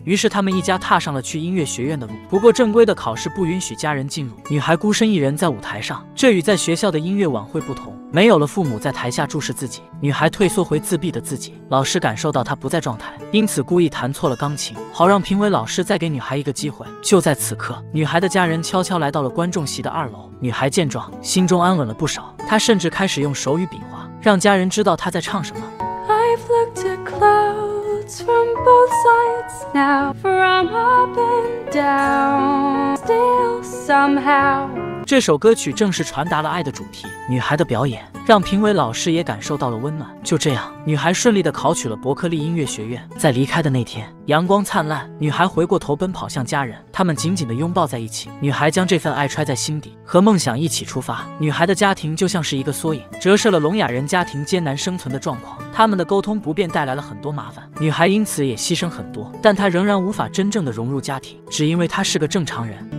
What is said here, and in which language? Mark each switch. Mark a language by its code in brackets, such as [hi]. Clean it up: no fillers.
[zh] 于是他们一家踏上了去音乐学院的路，不过正规的考试不允许家人进入，女孩孤身一人在舞台上，这与在学校的音乐晚会不同，没有了父母在台下注视自己，女孩退缩回自闭的自己。老师感受到她不在状态，因此故意弹错了钢琴，好让评委老师再给女孩一个机会。就在此刻，女孩的家人悄悄来到了观众席的二楼，女孩见状心中安稳了不少，她甚至开始用手语比划，让家人知道她在唱什么。 [en] I've looked at clouds from both sides now, from up and down, still somehow。 [zh] 这首歌曲正是传达了爱的主题，女孩的表演让评委老师也感受到了温暖。就这样，女孩顺利地考取了伯克利音乐学院。在离开的那天，阳光灿烂，女孩回过头奔跑向家人，他们紧紧地拥抱在一起。女孩将这份爱揣在心底，和梦想一起出发。女孩的家庭就像是一个缩影，折射了聋哑人家庭艰难生存的状况，他们的沟通不便带来了很多麻烦，女孩因此也牺牲很多，但她仍然无法真正地融入家庭，只因为她是个正常人。